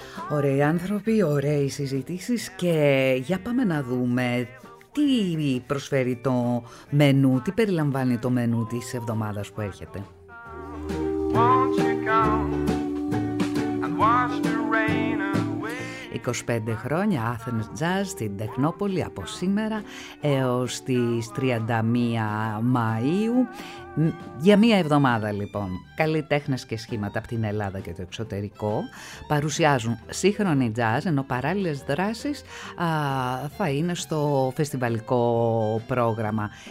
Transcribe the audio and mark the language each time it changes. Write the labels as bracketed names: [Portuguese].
[Greek] Ωραίοι άνθρωποι, ωραίες συζητήσεις και για πάμε να δούμε τι προσφέρει το μενού, τι περιλαμβάνει το μενού της εβδομάδας που έρχεται. [English] Won't you come and watch the rain away? [Greek] 25 χρόνια Athens Jazz στην Τεχνόπολη από σήμερα έως τις 31 Μαΐου. Για μία εβδομάδα λοιπόν, καλλιτέχνες και σχήματα από την Ελλάδα και το εξωτερικό παρουσιάζουν σύγχρονη τζαζ, ενώ παράλληλες δράσεις θα είναι στο φεστιβαλικό πρόγραμμα.